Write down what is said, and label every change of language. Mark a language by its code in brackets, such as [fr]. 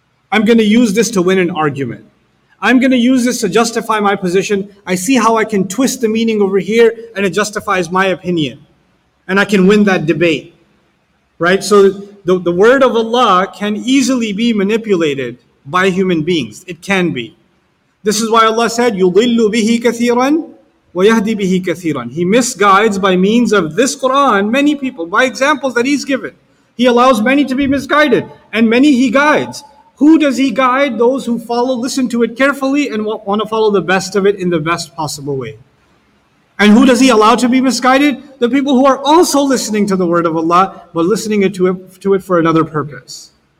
[en] I'm going to use this to win an argument. I'm going to use this to justify my position. I see how I can twist the meaning over here and it justifies my opinion. And I can win that debate. Right? So the word of Allah can easily be manipulated by human beings. It can be. This is why Allah said, [ar] يُضِلُّ بِهِ كَثِيرًا وَيَهْدِي بِهِ كَثِيرًا. [en] He misguides by means of this Qur'an many people, by examples that He's given. He allows many to be misguided, and many He guides. Who does He guide? Those who follow, listen to it carefully, and want to follow the best of it in the best possible way. And who does He allow to be misguided? The people who are also listening to the word of Allah, but listening to it for another purpose.